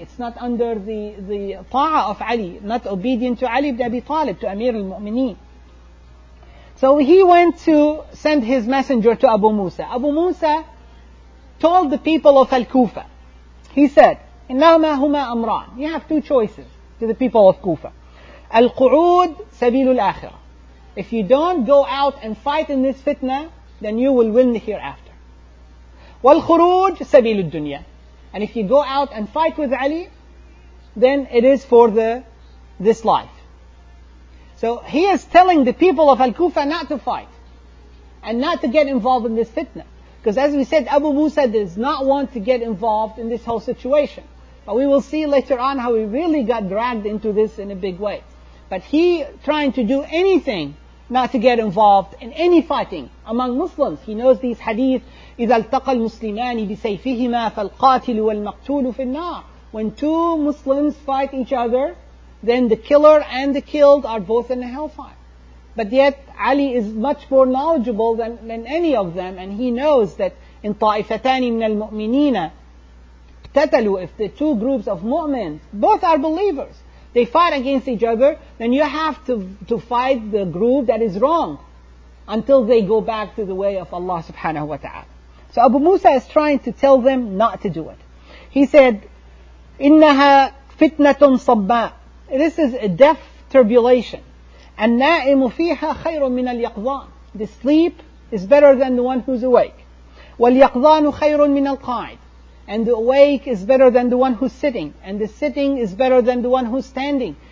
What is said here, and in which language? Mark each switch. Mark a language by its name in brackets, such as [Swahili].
[English] It's not under the ta'a of Ali, not obedient to Ali ibn Abi Talib, to Amir al-Mu'mineen. So he went to send his messenger to Abu Musa. Abu Musa told the people of Al-Kufa, he said, [Arabic] إِنَّهُمَا هُمَا أَمْرَانِ. [English] You have two choices to the people of Kufa. [Arabic] Al-Qu'ud سَبِيلُ الْآخِرَةِ. [English] If you don't go out and fight in this fitna, then you will win the hereafter. [Arabic] والخروج سبيل الدنيا. [English] And if you go out and fight with Ali, then it is for this life. So he is telling the people of Al-Kufa not to fight and not to get involved in this fitna. Because as we said, Abu Musa does not want to get involved in this whole situation. But we will see later on how he really got dragged into this in a big way. But he trying to do anything not to get involved in any fighting among Muslims. He knows these hadith, [Arabic] إِذَا الْتَقَى الْمُسْلِمَانِ بِسَيْفِهِمَا فَالْقَاتِلُ وَالْمَقْتُولُ فِي النَّارِ. [English] When two Muslims fight each other, then the killer and the killed are both in the hellfire. But yet, Ali is much more knowledgeable than any of them, and he knows that [Arabic] إِنْ طَائِفَتَانِ مِنَ الْمُؤْمِنِينَ اقْتَتَلُوا. [English] If the two groups of mu'mins, both are believers, they fight against each other, then you have to fight the group that is wrong until they go back to the way of Allah subhanahu wa ta'ala. So Abu Musa is trying to tell them not to do it. He said, [Arabic] إِنَّهَا فِتْنَةٌ صَبَّاءٌ. [English] This is a death tribulation. [Arabic] النَّائِمُ فِيهَا خَيْرٌ مِنَ الْيَقْضَانِ. [English] The sleep is better than the one who's awake. [Arabic] وَالْيَقْضَانُ خَيْرٌ مِنَ الْقَاعِدِ. [English] And the awake is better than the one who's sitting. And the sitting is better than the one who's standing.